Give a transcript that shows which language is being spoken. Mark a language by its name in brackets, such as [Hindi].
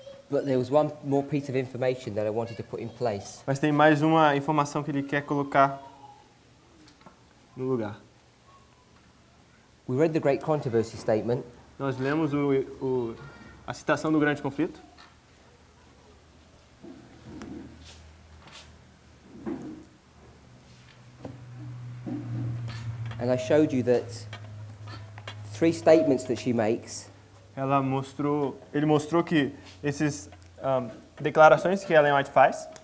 [English] But there was one more piece of information that I wanted to put in place. [Portuguese] Mas tem mais uma informação que ele quer colocar no lugar. [English] We read the great controversy statement. [Portuguese] Nós lemos a citação do grande conflito. [English] And I showed you that three statements that she makes. [Portuguese] Ele mostrou que esses declarações que Ellen White faz